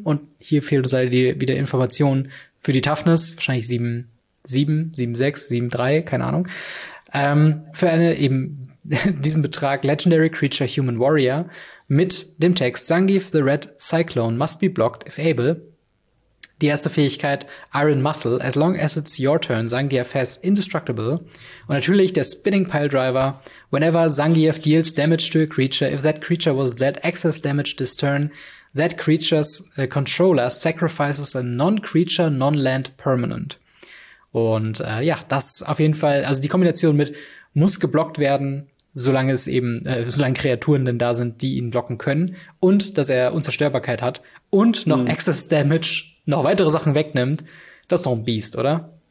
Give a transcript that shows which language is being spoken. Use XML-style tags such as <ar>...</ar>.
<de>Und hier fehlt uns halt wieder Informationen. Für die Toughness wahrscheinlich 7, 7, 6, 7, 3, keine Ahnung. Für eine eben diesen Betrag Legendary Creature Human Warrior mit dem Text</de> <en>Zangief the Red Cyclone must be blocked if able.</en> <de>Die erste Fähigkeit Iron Muscle.</de> <en>As long as it's your turn, Zangief has indestructible.</en> <de>Und natürlich der</de> <en>Spinning Pile Driver. Whenever Zangief deals damage to a creature, if that creature was dead, excess damage this turn, that creature's controller sacrifices a non-creature, non-land permanent.</en> <de>Und ja, das auf jeden Fall, also die Kombination mit muss geblockt werden, solange es eben, solange Kreaturen denn da sind, die ihn blocken können. Und dass er Unzerstörbarkeit hat und noch Excess Damage, noch weitere Sachen wegnimmt. Das ist doch ein Beast, oder?</de>